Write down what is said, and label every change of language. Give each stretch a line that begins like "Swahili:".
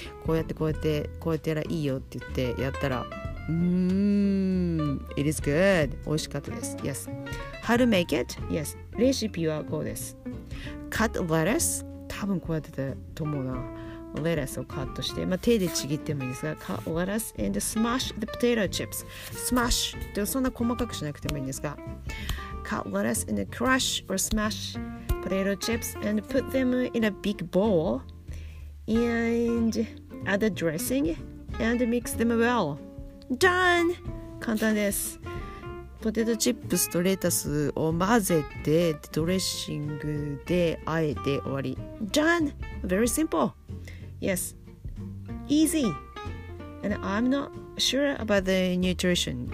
Japanese: こうやってやらいいよって言ってやったら、
English: It is good.
Japanese: 美味しかったです。Yes.
English: How to make it?
Japanese: Yes. レシピはこうです。
English: Cut lettuce.
Japanese: 多分こうやってたと思うな。レタスをカットして、手でちぎってもいいですが、
English: Cut lettuce and smash the potato chips. Smash.
Japanese: でもそんな細かくしなくてもいいんですが。
English: Cut lettuce and crush or smash potato chips and put them in a big bowl and add the dressing and mix them well. Done!
Japanese: 簡単です。ポテトチップスとレタスを混ぜて、ドレッシングであえて終わり。
English: Done! Very simple! Yes. Easy! And I'm not sure about the nutrition.